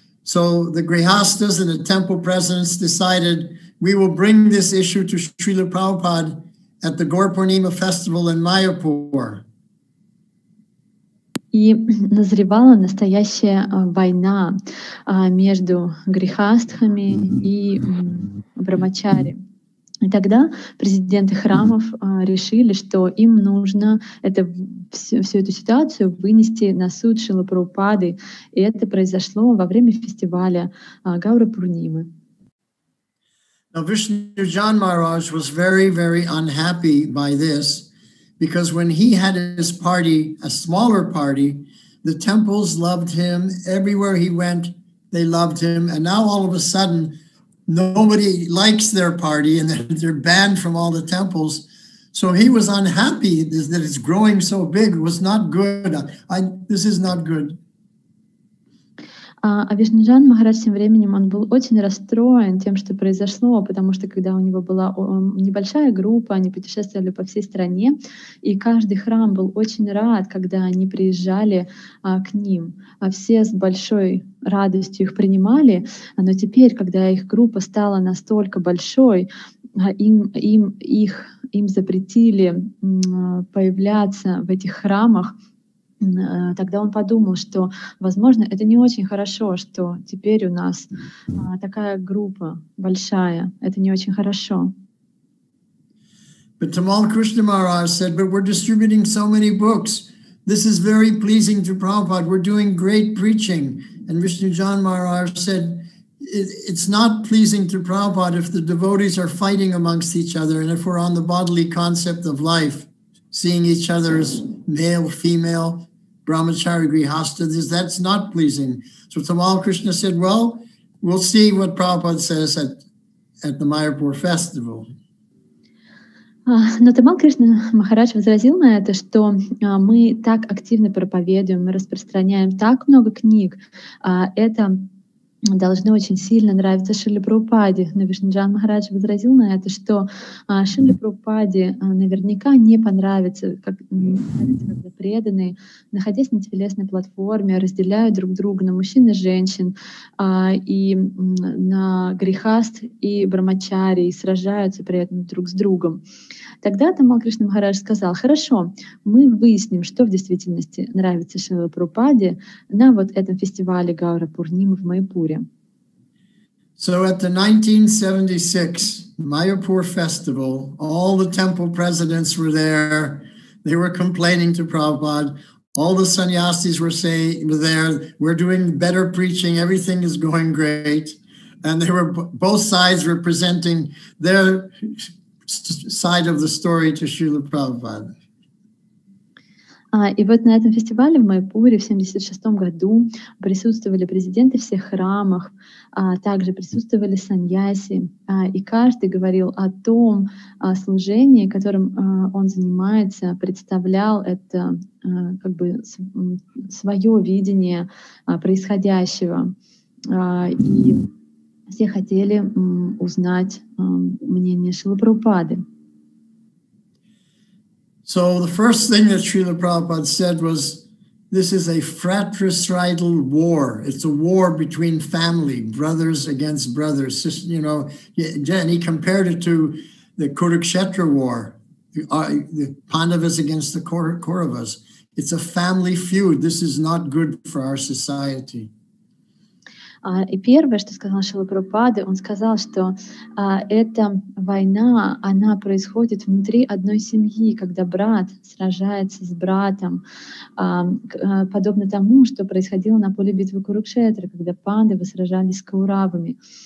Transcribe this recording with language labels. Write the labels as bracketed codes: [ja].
[en] So the grihasthas and the temple presidents decided, we will bring this issue to Srila Prabhupada at the Gaur Purnima festival in Mayapur. [ru] И назревала настоящая война между грихастхами и брахмачари. И тогда президенты храмов решили, что им нужно всю эту ситуацию вынести на суд Шрилы Прабхупады. И это произошло во время фестиваля Гаура Пурнимы. [en] Вишну Джан Махарадж was very, very unhappy by this, because when he had his party, a smaller party, the temples loved him, everywhere he went, they loved him, and now all of a sudden, nobody likes their party and they're banned from all the temples. So he was unhappy that it's growing so big. It was not good. This is not good. [ru] А Вишнуджан Махарадж тем временем он был очень расстроен тем, что произошло, потому что когда у него была небольшая группа, они путешествовали по всей стране, и каждый храм был очень рад, когда они приезжали к ним. Все с большой радостью их принимали, но теперь, когда их группа стала настолько большой, им запретили появляться в этих храмах. Тогда он подумал, что, возможно, это не очень хорошо, что теперь у нас такая группа большая. Это не очень хорошо. [en] But Tamal Krishna Maharaj said, but we're distributing so many books. This is very pleasing to Prabhupada. We're doing great preaching. And Vishnu Jan Maharaj said, it's not pleasing to Prabhupada if the devotees are fighting amongst each other and if we're on the bodily concept of life, seeing each other as male, female, brahmachari, grihastha, that's not pleasing. So Tamal Krishna said, well, we'll see what Prabhupada says at the Mayapur festival. [ru] Но Тамал Кришна Махарадж возразил на это, что мы так активно проповедуем, мы распространяем так много книг, это должно очень сильно нравиться Шриле Прабхупаде. Но Вишнуджан Махарадж возразил на это, что Шриле Прабхупаде наверняка не понравится, как преданные, находясь на телесной платформе, разделяют друг друга на мужчин и женщин, и на грихаст и брамачари, и сражаются при этом друг с другом. Тогда Тамал Кришна Махарадж сказал, хорошо, мы выясним, что в действительности нравится Шриле Прабхупаде на вот этом фестивале Гаура Пурнима в Майпуре. [en] So at the 1976 Mayapur festival, all the temple presidents were there. They were complaining to Prabhupada. All the sannyasis were there. We're doing better preaching. Everything is going great. And they were both sides representing their side of the story to Srila Prabhupada. [ru] И вот на этом фестивале в Майпуре в 76 году присутствовали президенты всех храмов, также присутствовали саньяси, и каждый говорил о том служении, которым он занимается, представлял это как бы свое видение происходящего. И все хотели узнать мнение Шрилы Прабхупады. [en] So the first thing that Srila Prabhupada said was, this is a fratricidal war. It's a war between family, brothers against brothers. Just, you know, and he compared it to the Kurukshetra war, the Pandavas against the Kauravas. It's a family feud. This is not good for our society. [ru] И первое, что сказал Шрила Прабхупада, он сказал, что эта война, она происходит внутри одной семьи, когда брат сражается с братом, подобно тому, что происходило на поле битвы Курукшетра, когда пандавы сражались с кауравами.